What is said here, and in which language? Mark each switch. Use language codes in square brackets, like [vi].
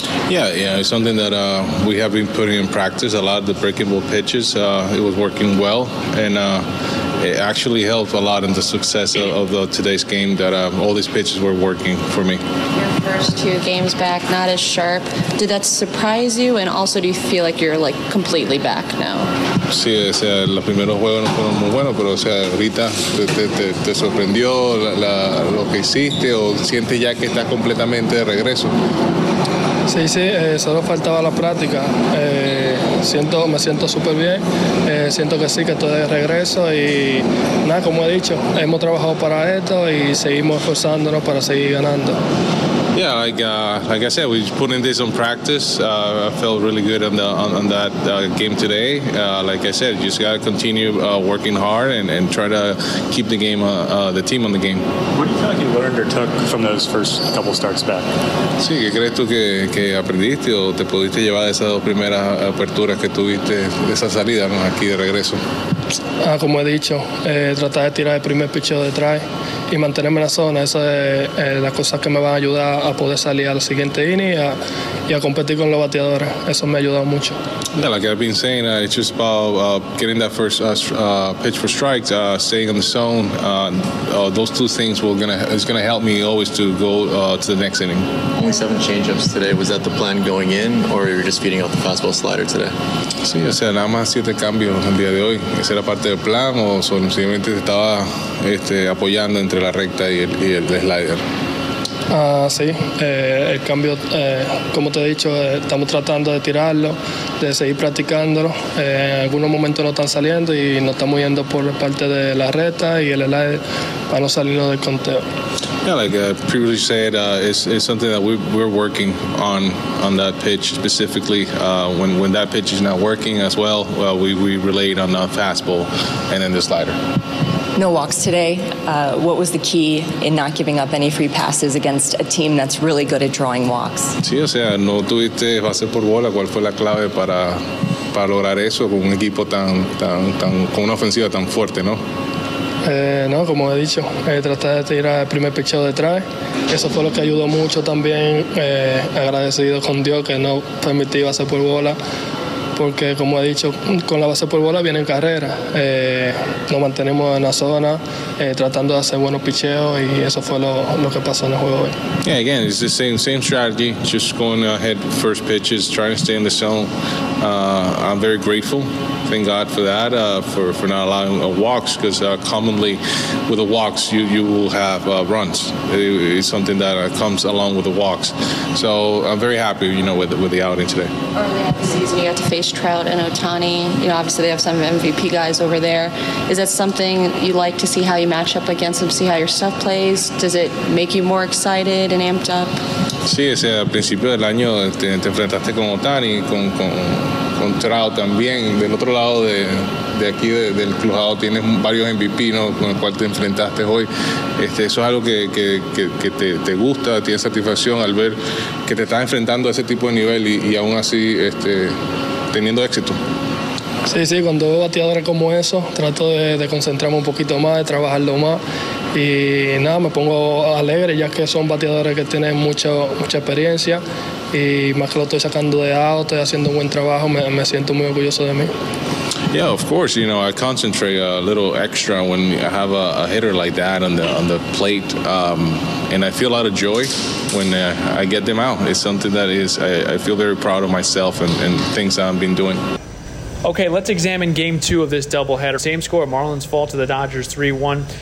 [en] Yeah, it's something that we have been putting in practice a lot, the breakable pitches, it was working well and it actually helped a lot in the success of today's game that all these pitches were working for me. Your first two games back, not as sharp. Did that surprise you? And also, do you feel like you're like completely back now? [es] Sí, o sea, los primeros juegos no fueron muy buenos, pero o sea, ahorita te sorprendió lo que hiciste o sientes ya que estás completamente de regreso. Sí, solo faltaba la práctica. Me siento súper bien. Siento que sí, que estoy de regreso. Y nada, como he dicho, hemos trabajado para esto y seguimos esforzándonos para seguir ganando. [en] Yeah, like I said, we're putting this on practice. I felt really good on that game today. Like I said, you just gotta continue working hard and try to keep the game, the team on the game. What do you feel like you learned or took from those first couple starts back? [es] Sí, ¿qué crees tú que aprendiste o te pudiste llevar de esas dos primeras aperturas que tuviste de esa salida, ¿no? Aquí de regreso? Como he dicho, tratar de tirar el primer picheo detrás y mantenerme en la zona. Esas son las cosas que me van a ayudar a poder salir al siguiente inning y a competir con los bateadores. Eso me ha ayudado mucho. [en] Yeah, like I've been saying, it's just about getting that first pitch for strikes, staying in the zone. Those two things is gonna help me always to go to the next inning. Only 7 changeups today. Was that the plan going in, or you're just feeding off the fastball slider today? [es] Sí, o sea, nada más 7 cambios el día de hoy. ¿Esa era parte del plan o simplemente estaba apoyando entre la recta y el slider? El cambio, como te he dicho, estamos tratando de tirarlo, de seguir practicándolo. En algunos momentos no están saliendo y nos estamos yendo por parte de la recta y el slider para no salirnos del conteo. [en] Yeah, like I previously said, it's something that we're working on that pitch specifically. When that pitch is not working as well, we relay on the fastball and then the slider. No walks today. What was the key in not giving up any free passes against a team that's really good at drawing walks? [es] Sí, o sea, no tuviste base por bola. ¿Cuál fue la clave para lograr eso con un equipo tan con una ofensiva tan fuerte, no? No, como he dicho, tratar de tirar el primer picheo detrás. Eso fue lo que ayudó mucho también. Agradecido con Dios que no permití base por bola. Porque, como he dicho, con la base por bola viene en carrera. Nos mantenemos en la zona, tratando de hacer buenos picheos, y eso fue lo que pasó en el juego hoy. [en] Yeah, again, it's the same strategy, just going ahead first pitches, trying to stay in the zone. I'm very grateful. Thank God for that, for not allowing walks, because commonly with the walks, you will have runs. It's something that comes along with the walks. So I'm very happy, you know, with the outing today. Early in the season, you got to face Trout and Otani. You know, obviously they have some MVP guys over there. Is that something you like to see how you match up against them, see how your stuff plays? Does it make you more excited and amped up? [es] Sí, o sea, al principio del año te enfrentaste con Otani, con Trout también. Del otro lado de aquí, del clujado, tienes varios MVP, ¿no?, con el cual te enfrentaste hoy. Eso es algo que te gusta, tienes satisfacción al ver que te estás enfrentando a ese tipo de nivel y aún así teniendo éxito. Sí, cuando veo bateadores como eso, trato de concentrarme un poquito más, de trabajarlo más. Y nada, me pongo alegre ya que son bateadores que tienen mucha experiencia y más que lo estoy sacando de out, estoy haciendo un buen trabajo, me siento muy orgulloso de mí. [en] Yeah, of course, you know, I concentrate a little extra when I have a hitter like that on the plate, and I feel a lot of joy when I get them out. It's something that I feel very proud of myself and things I've been doing. Okay, let's examine game two of this doubleheader. Same score, Marlins fall to the Dodgers 3-1.